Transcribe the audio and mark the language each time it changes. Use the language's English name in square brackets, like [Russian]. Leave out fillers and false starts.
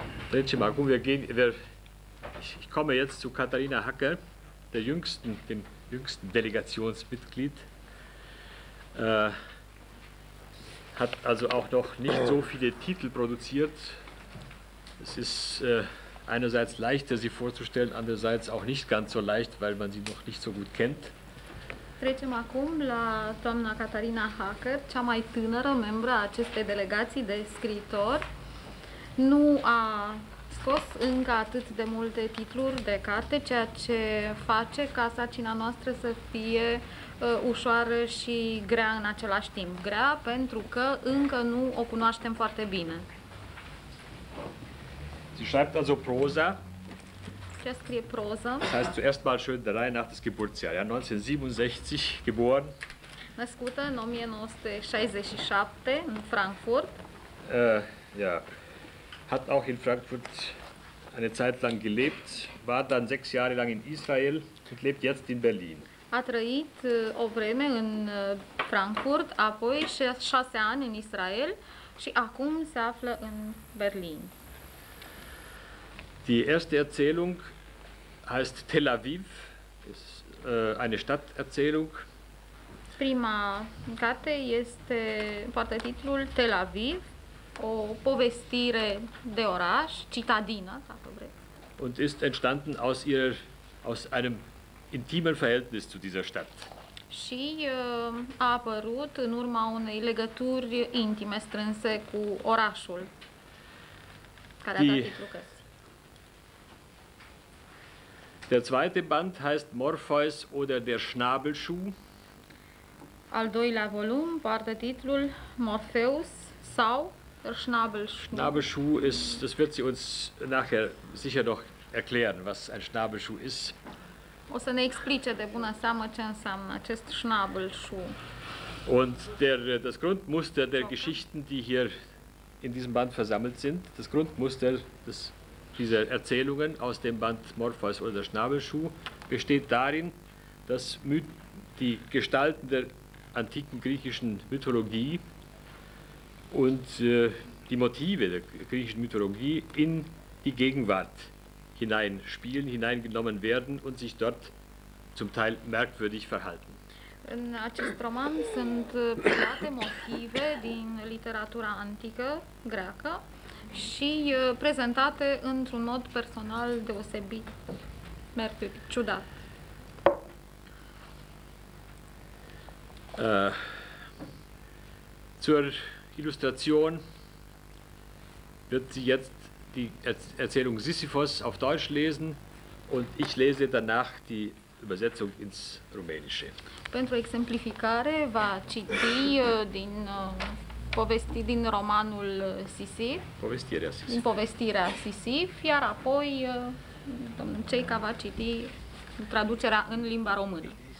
[Romanian] Trecem acum, [German] ich komme jetzt zu Katharina Hacke, der jüngsten, dem jüngsten Delegationsmitglied. Hat also auch noch nicht so viele Titel produziert. Es ist einerseits leichter, sie vorzustellen, andererseits auch nicht ganz so leicht, weil man sie noch nicht so gut kennt. [Romanian] Trecem acum la doamna Katharina Hacke, cea mai tânără membra acestei delegații de scriitor. Nu a scos încă atât de multe titluri de carte, ceea ce face ca sarcina noastră să fie ușoară și grea în același timp. Grea pentru că încă nu o cunoaștem foarte bine. [German] Sie schreibt also Prosa. [Romanian] Sie scrie proză. [German] Das heißt zuerst mal schön der Reihe nach des Geburtsjahr. Ja, 1967 geboren. [Romanian] Născută în 1967 în Frankfurt. [German] Ja. Hat auch in Frankfurt eine Zeit lang gelebt, war dann 6 Jahre lang in Israel und lebt jetzt in Berlin. [Romanian] A trăit o vreme în Frankfurt, apoi 6 ani în Israel și acum se află în Berlin. [German] Die erste Erzählung heißt Tel Aviv, ist eine Stadterzählung. [Romanian] Prima carte este poartă titlul Tel Aviv. O povestire de oraș, citadină, dacă vrei. [German] Und ist entstanden aus ihrer aus einem intimen Verhältnis zu dieser Stadt. [Romanian] Și a apărut în urma unei legături intime strânse cu orașul. Care [German] die, der zweite Band heißt Morpheus oder der Schnabelschuh. [Romanian] Al doilea volum poartă titlul Morpheus sau [German] Schnabelschuh ist, das wird sie uns nachher sicher noch erklären, was ein Schnabelschuh ist. [Romanian] O să ne explice de bună seamă ce înseamnă acest Schnabelschuh. [German] Und der, das Grundmuster der okay. Geschichten, die hier in diesem Band versammelt sind, das Grundmuster des, dieser Erzählungen aus dem Band Morpheus oder Schnabelschuh besteht darin, dass die Gestalten der antiken griechischen Mythologie und die Motive der griechischen Mythologie in die Gegenwart hineinspielen, hineingenommen werden und sich dort zum Teil merkwürdig verhalten. [Romanian] In acest roman sunt preluate motive din literatura antică greacă și prezentate într-un mod personal deosebit merturi, ciudat. [German] Zur Illustration wird sie jetzt die Erzählung Sisyphos auf Deutsch lesen und ich lese danach die Übersetzung ins Rumänische. [Romanian] Pentru exemplificare va citi din povesti din romanul Sisif. Povestirea Sisif. Povestirea Sisif, iar apoi domnul Ceica va citi traducerea în limba română.